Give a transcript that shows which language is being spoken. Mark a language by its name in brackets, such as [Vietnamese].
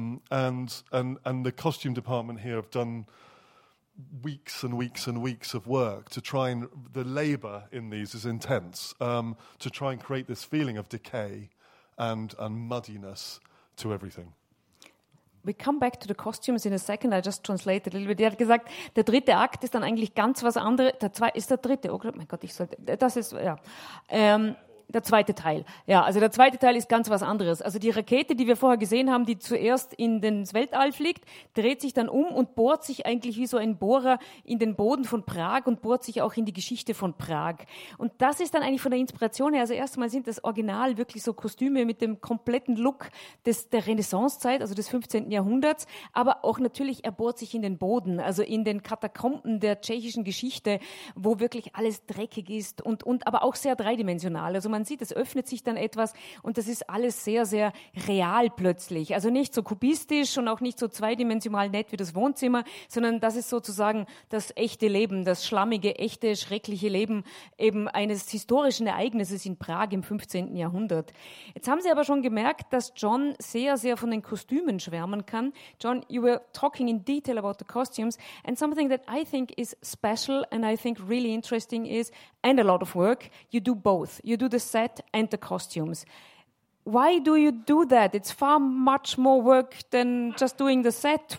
[English] And the costume department here have done weeks and weeks and weeks of work to try and, the labor in these is intense, to try and create this feeling of decay and muddiness to everything. We come back to the costumes in a second. I just translated a little bit. [German] Er hat gesagt, der dritte Akt ist dann eigentlich ganz was anderes. Der zweite ist der dritte. Oh mein Gott, ich sollte, das ist, ja. der zweite Teil. Ja, also der zweite Teil ist ganz was anderes. Also die Rakete, die wir vorher gesehen haben, die zuerst in den Weltall fliegt, dreht sich dann um und bohrt sich eigentlich wie so ein Bohrer in den Boden von Prag und bohrt sich auch in die Geschichte von Prag. Und das ist dann eigentlich von der Inspiration her, also erstmal sind das Original wirklich so Kostüme mit dem kompletten Look der Renaissancezeit, also des 15. Jahrhunderts, aber auch natürlich, er bohrt sich in den Boden, also in den Katakomben der tschechischen Geschichte, wo wirklich alles dreckig ist und aber auch sehr dreidimensional. Also man sieht, es öffnet sich dann etwas und das ist alles sehr, sehr real plötzlich. Also nicht so kubistisch und auch nicht so zweidimensional nett wie das Wohnzimmer, sondern das ist sozusagen das echte Leben, das schlammige, echte, schreckliche Leben eben eines historischen Ereignisses in Prag im 15. Jahrhundert. Jetzt haben Sie aber schon gemerkt, dass John sehr, sehr von den Kostümen schwärmen kann. [English] John, you were talking in detail about the costumes and something that I think is special and I think really interesting is, and a lot of work, you do both. You do the set and the costumes. Why do you do that? It's far much more work than just doing the set.